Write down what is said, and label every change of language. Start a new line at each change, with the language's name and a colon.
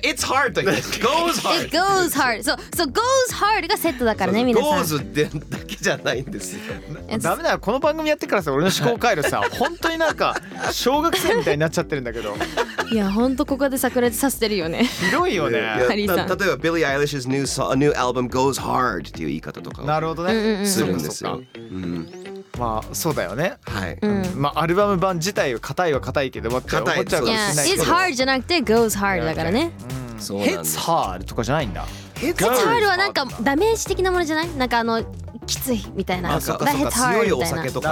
Japanese: It's hard と言います。
English: Goes hard! It goes hard!
Japanese: そう、 so goes hard がセットだからね、皆さん。 Goes でだけじゃないんですよ。ダメだよ、この番組やってからさ、俺の思考回路さ、本当になんか小学生みたいになっちゃってるんだけど。いや、本当ここで炸裂させてるよね。ひどいよね、ハリーさん。
English: 例えば、 Billie Eilish's new song, a new album goes hard っていう言い方とか。
Japanese: なるほどね。するんですよ。まあそうだよね。はい。まあアルバム版自体は硬いは硬いけど、まあ硬いじゃない。 It's hard じゃなくて goes hard だからね。 Hits hard とかじゃないんだ。 Head's hard はなんかダメージ的なものじゃない？なんかあのきついみたいな。あ、そっか、強いお酒とか。